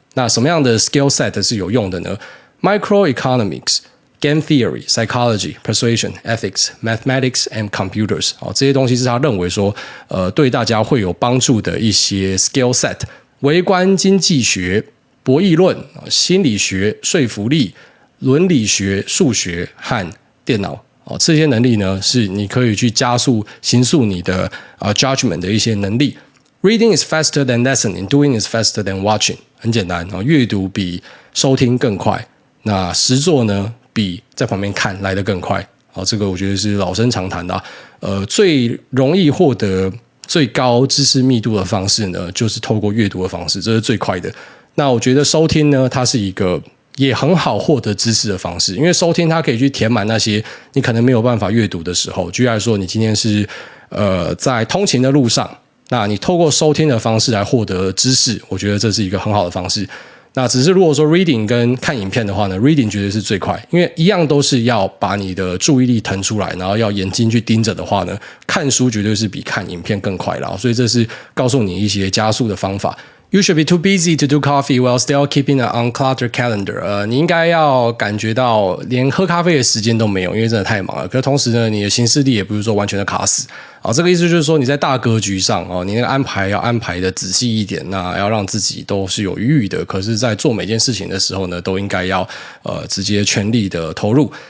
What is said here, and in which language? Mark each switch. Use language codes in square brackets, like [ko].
[zh] 那什么样的 skill set 是有用的呢？ [en] Microeconomics、Game Theory、Psychology、Persuasion、Ethics、Mathematics and Computers、 [zh] 哦、这些东西是他认为说对大家会有帮助的一些 skill set。微观经济学、博弈论、心理学、说服力、伦理学、数学和电脑、哦、这些能力呢是你可以去加速行塑你的judgment 的一些能力。 [en] Reading is faster than listening, doing is faster than watching. [zh] 很简单，阅读比收听更快，那实作呢比在旁边看来得更快。好，这个我觉得是老生常谈的、啊、最容易获得最高知识密度的方式呢就是透过阅读的方式，这是最快的。那我觉得收听呢它是一个也很好获得知识的方式，因为收听它可以去填满那些你可能没有办法阅读的时候。举例来说，你今天是在通勤的路上，那你透过收听的方式来获得知识，我觉得这是一个很好的方式。那只是如果说 reading 跟看影片的话呢， reading 绝对是最快，因为一样都是要把你的注意力腾出来，然后要眼睛去盯着的话呢，看书绝对是比看影片更快啦。所以这是告诉你一些加速的方法。 [en] You should be too busy to do coffee while still keeping an uncluttered calendar. [zh] 你应该要感觉到连喝咖啡的时间都没有，因为真的太忙了，可是同时呢你的行事历也不是说完全的卡死。好，这个意思就是说你在大格局上你那个安排要安排的仔细一点，那要让自己都是有余裕的，可是在做每件事情的时候呢都应该要直接全力的投入。